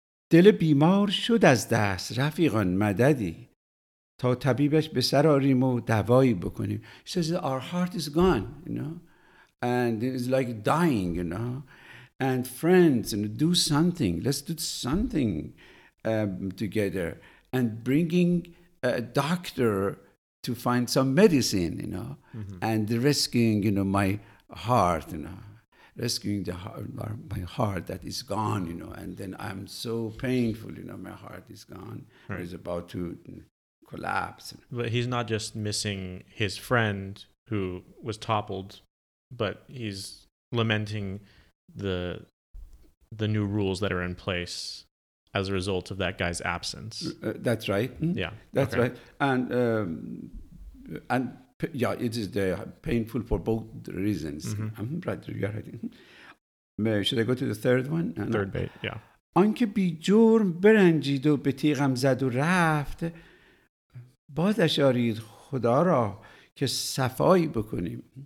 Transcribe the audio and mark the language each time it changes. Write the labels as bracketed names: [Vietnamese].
[Persian] دل بیمار شد از دست، رفیقان مددی، تا طبیبش به سر آریم و دوایی بکنیم. [English] He says that our heart is gone, you know, and it is like dying, you know. And friends, and do something. Let's do something together. And bringing a doctor to find some medicine, you know, mm-hmm. and rescuing, you know, my heart, you know. rescuing the heart, my heart that is gone, you know, and then I'm so painful, you know, my heart is gone. Right. It's about to collapse. But he's not just missing his friend who was toppled, but he's lamenting the new rules that are in place as a result of that guy's absence. That's right. Mm-hmm. Yeah. That's okay. Right. And yeah, it is painful for both reasons. Mm-hmm. I'm right. You're right. Should I go to the third one? Third bait, yeah. [Persian] آنکه بی جرم برنجید و به تیغم زد و رفت بازش آرید خدا را که صفایی بکنیم.